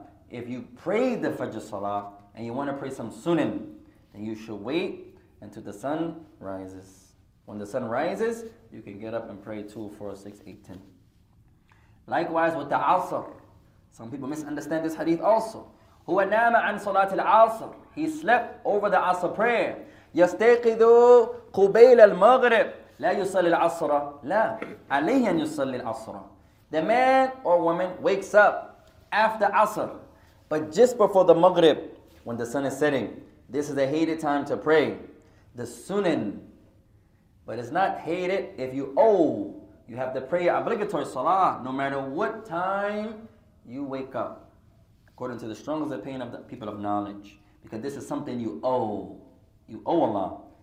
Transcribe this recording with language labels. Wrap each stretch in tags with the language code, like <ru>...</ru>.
<en>If you pray the Fajr Salah and you want to pray some sunan, then you should wait until the sun rises. When the sun rises, you can get up and pray 2, 4, 6, 8, 10. Likewise with the Asr. Some people misunderstand this hadith also.</en> <ar>Huwa nama an salat al-Asr.</ar> <en>He slept over the Asr prayer.</en> <ar>يستيقظ قبيل المغرب لا يصلي العصر لا عليه أن يصلي العصر.</ar> <en>The man or woman wakes up after Asr, but just before the Maghrib, when the sun is setting, this is a hated time to pray, the Sunan. But it's not hated if you owe. You have to pray obligatory Salah no matter what time you wake up, according to the strongest opinion of the people of knowledge, because this is something you owe. You owe Allah.</en>